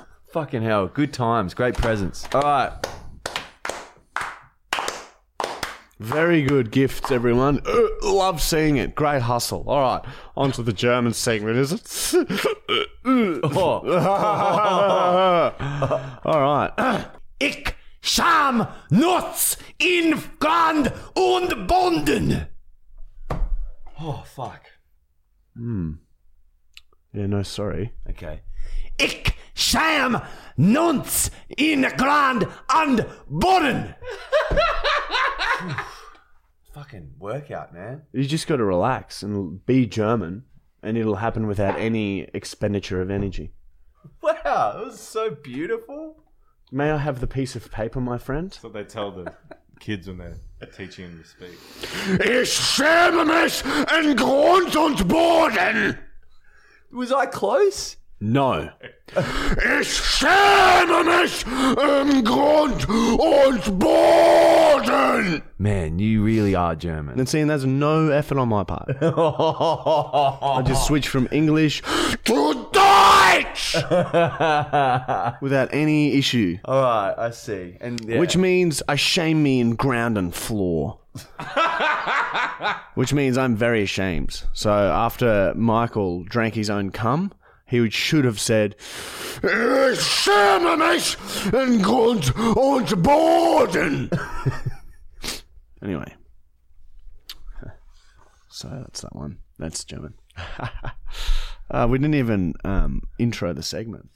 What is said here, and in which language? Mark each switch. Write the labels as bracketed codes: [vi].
[en] Fucking hell. Good times. Great presents. All right. Very good gifts, everyone. Love seeing it. Great hustle. All right. On to the German segment, is it? All right. [de] Ich scham nuts in Grand und Bonden. [en] Oh, fuck. Yeah, no, sorry. Okay. [de] Ich scham nuts in Grand und Bonden. [en] Fucking workout, man. You just got to relax and be German, and it'll happen without any expenditure of energy. Wow, that was so beautiful. May I have the piece of paper, my friend? That's what they tell the kids when they're teaching them to speak. [de] Ich schäme mich in Grund und Boden. [en] Was I close? No. [de] Ich schäme mich im Grund und Boden. [en] Man, you really are German. And seeing there's no effort on my part. I just switched from English to Deutsch. Without any issue. All right, I see. And yeah. Which means I shame me in ground and floor. Which means I'm very ashamed. So after Michael drank his own cum, he should have said, [de] "Schäme mich in Grund und Boden." [en] Anyway, so that's that one. That's German. We didn't even intro the segment.